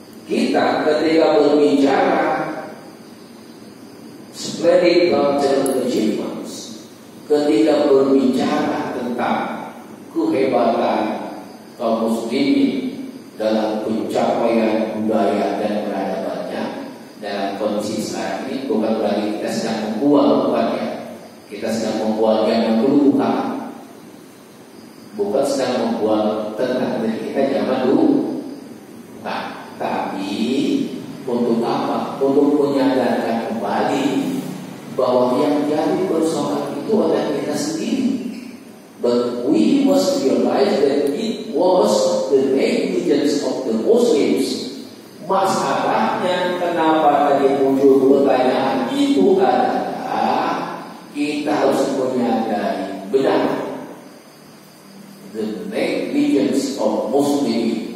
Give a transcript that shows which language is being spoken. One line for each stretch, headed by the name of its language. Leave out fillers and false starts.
Indonesian: Kita ketika berbicara spreading cultural achievements, ketika berbicara tentang kehebatan kaum muslimin dalam pencapaian budaya dan peradabannya dalam kondisi saat ini, bukan berarti kita sedang membual, bukan ya, kita sedang membual jangan dulu, bukan sedang membual tentang kita zaman dulu. Tapi untuk apa? Untuk menyadarkan kembali bahwa yang jadi persoalan itu adalah kita sendiri.
English: But we must realize that it was the negligence of the Muslims.
Indonesian: Masalahnya kenapa tadi muncul pertanyaan itu adalah kita harus menyadari benar the negligence of Muslims.